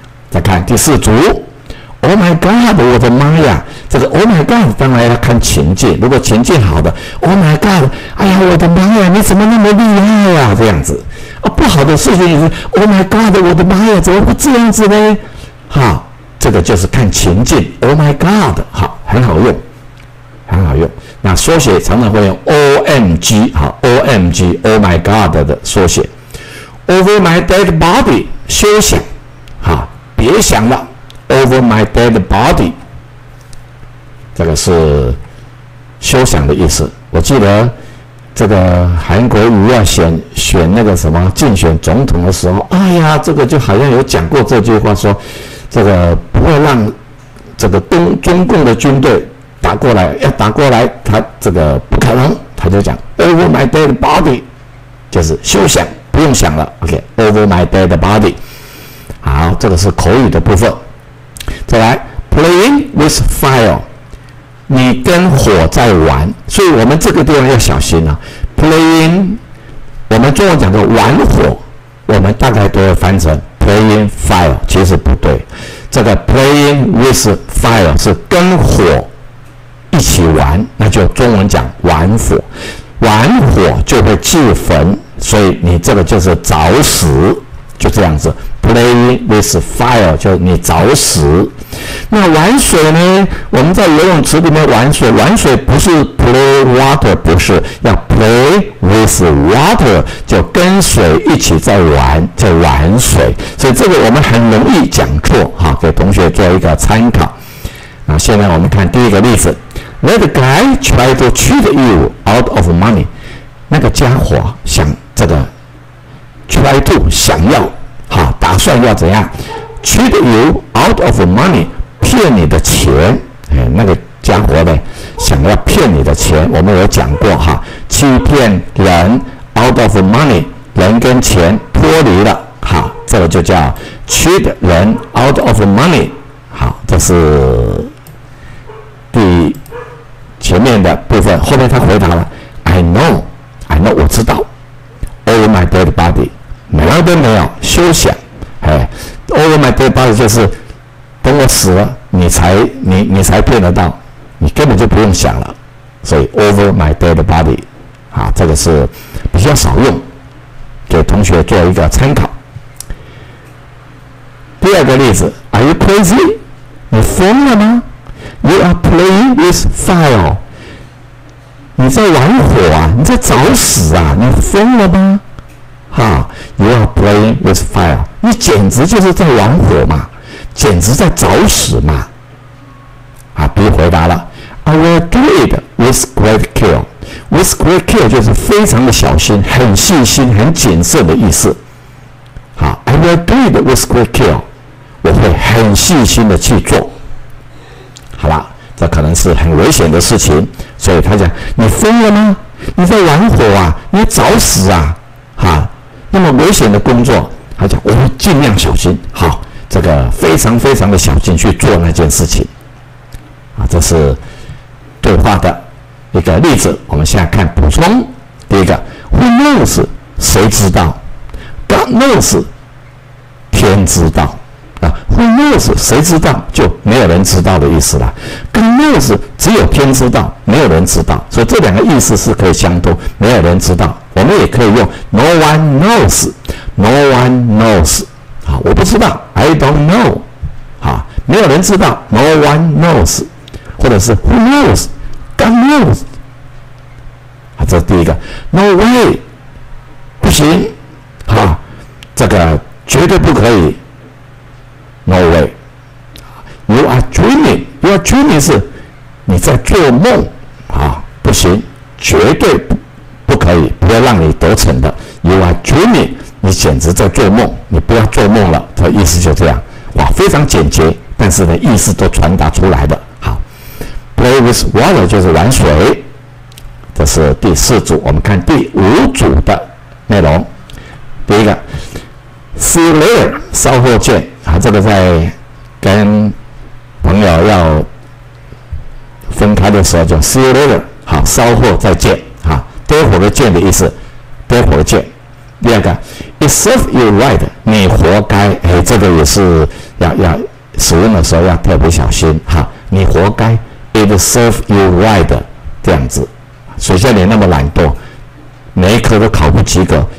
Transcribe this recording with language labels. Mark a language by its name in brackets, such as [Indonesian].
[Chinese] 再看第四组， [English] Oh my god， [Chinese] 我的妈呀，这个 Oh my god 当然要看情境，如果情境好的 Oh my god， 哎呀我的妈呀，你怎么那么厉害啊，这样子啊。不好的事情也是 [English] Oh my god， [Chinese] 我的妈呀，怎么会这样子呢。好，这个就是看情境， [English] Oh my god， [Chinese] 好，很好用，很好用。那缩写常常会用 OMG， 好， OMG， [English] Oh my god [Chinese] 的缩写。 [English] Over my dead body， [Chinese] 休想，好，别想了， Over my dead body，这个是休想的意思。我记得这个韩国瑜要选那个什么竞选总统的时候，哎呀，这个就好像有讲过这句话，说这个不会让这个中共的军队打过来，要打过来他这个不可能，他就讲 [English] Over my dead body， [Chinese] 就是休想，不用想了， OK， Over my dead body。好，这个是口语的部分。再来， [English] Playing with fire [Chinese] 你跟火在玩，所以我们这个地方要小心啊。 Playing， 我们中文讲的玩火，我们大概都会翻成 [English] playing fire， [Chinese] 其实不对。这个 [English] playing with fire [Chinese] 是跟火一起玩，那就中文讲玩火。玩火就会自焚，所以你这个就是找死，就这样子。 [English] Playing with fire [Chinese] 就是你找死。那玩水呢，我们在游泳池里面玩水，玩水不是 [English] play water， [Chinese] 不是，要 [English] play with water， [Chinese] 就跟水一起在玩，在玩水。所以这个我们很容易讲错，好，给同学做一个参考。那现在我们看第一个例子， [English] That guy tried to cheat you out of money， [Chinese] 那个家伙想这个 try to 想要，好，打算要怎样 [English] cheat you out of money， [Chinese] 骗你的钱。哎，那个家伙呢想要骗你的钱，我们有讲过哈，欺骗人 [English] out of money， [Chinese] 人跟钱脱离了，好，这个就叫 cheat 人 out of money。好，这是第前面的部分。后面他回答了 [English] I know， I know， [Chinese] 我知道。 [English] Over my dead body， [Chinese] 没有都没有，休想。哎 ， [English] Over my dead body [Chinese] 就是等我死了，你才骗得到，你根本就不用想了。所以 Over my dead body， 啊，这个是比较少用。给同学做一个参考。第二个 [English] 例子 ，Are you crazy？ [Chinese] 你疯了吗 [English] ？You are playing with fire。 [Chinese] 你在玩火啊？你在找死啊？你疯了吗？ [English] 哈 ，You are playing with fire。 [Chinese] 你简直就是在玩火嘛，简直在找死嘛。 [English] 啊 ，B [Chinese] 回答了 [English] ，I will do it with great care。 With great care [Chinese] 就是非常的小心，很细心，很谨慎的意思。 [English] 好 ，I will do it with great care。 [Chinese] 我会很细心的去做。好了，这可能是很危险的事情，所以他讲你疯了吗？你在玩火啊？你找死啊？哈，那么危险的工作，他讲我会尽量小心。好，这个非常非常的小心去做那件事情。啊，这是对话的一个例子。我们现在看补充。第一个 ， [English] Who knows？ [Chinese] 谁知道 ？ [English] God knows， [Chinese] 天知道。啊 ， [English] Who knows？ [Chinese] 谁知道？就没有人知道的意思了。 [English] God knows， [Chinese] 只有天知道，没有人知道。所以这两个意思是可以相通。没有人知道，我们也可以用 [English] No one knows， [Chinese] No one knows。啊，我不知道 ， [English] I don't know。 [Chinese] 啊，没有人知道 ， [English] No one knows。 [Chinese] 或者是 [English] Who knows？ God knows。 [Chinese] 啊，这是第一个。 [English] No way， [Chinese] 不行。 [English] 啊， [Chinese] 这个绝对不可以。 [English] No way。 You are dreaming。 You are dreaming [Chinese] 是你在做梦。啊，不行，绝对 不可以，不要让你得逞的。 [English] You are dreaming， [Chinese] 你简直在做梦，你不要做梦了。这意思就这样。哇，非常简洁，但是呢，意思都传达出来的。 [English] Play with water [Chinese] 就是玩水。这是第四组，我们看第五组的内容。第一个 ， [English] See you later， [Chinese] 稍后见。啊，这个在跟朋友要分开的时候叫 [English] See you later， [Chinese] 好，稍后再见。啊，待会儿见的意思，待会儿见。 [English] 第二个 ，It serves you right， [Chinese] 你活该。哎，这个也是要使用的时候要特别小心。哈，你活该。 [English] It serve you right， [Chinese] 这样子，谁叫你那么懒惰，每一科都考不及格。